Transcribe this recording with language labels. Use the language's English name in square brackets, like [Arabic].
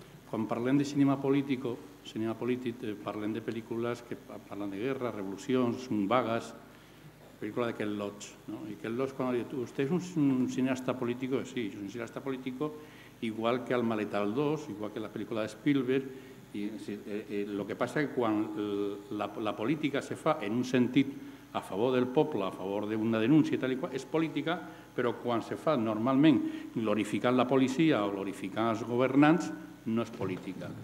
[Catalan] Quan parlem de cinema polític, parlem de pel·lícules que parlen de guerra, revolucions, vagues, pel·lícula de Ken Loach, ¿no? I Ken Loach, quan diu, [Spanish] ¿usted es un cineasta político? Sí, es un cineasta político, igual que El maletal 2, igual que la pel·lícula de Spielberg. Y lo que pasa es que [Catalan] quan la política se fa en un sentit a favor del poble, a favor d'una denúncia i tal i qual, és política, però quan se fa normalment glorificant la policia o glorificant els governants, no és política.